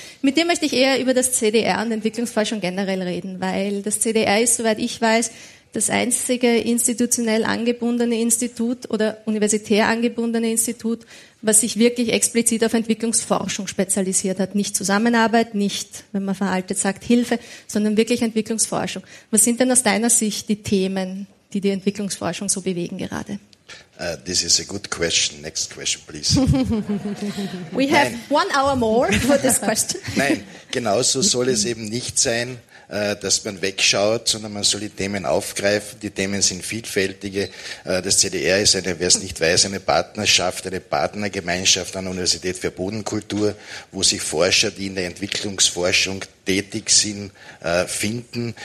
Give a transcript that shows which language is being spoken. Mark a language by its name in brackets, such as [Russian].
[German] Mit dir möchte ich eher über das CDR und Entwicklungsforschung generell reden, weil das CDR ist, soweit ich weiß, das einzige institutionell angebundene Institut oder universitär angebundene Institut, was sich wirklich explizit auf Entwicklungsforschung spezialisiert hat. Nicht Zusammenarbeit, nicht, wenn man veraltet sagt, Hilfe, sondern wirklich Entwicklungsforschung. Was sind denn aus deiner Sicht die Themen, die die Entwicklungsforschung so bewegen gerade? [English] This is a good question. Next question, please. We have one hour more for this question. [German] Nein, genau so soll es eben nicht sein. dass man wegschaut, sondern man soll die Themen aufgreifen. Die Themen sind vielfältige. Das CDR ist eine, wer es nicht weiß, eine Partnerschaft, eine Partnergemeinschaft an der Universität für Bodenkultur, wo sich Forscher, die in der Entwicklungsforschung tätig sind, finden.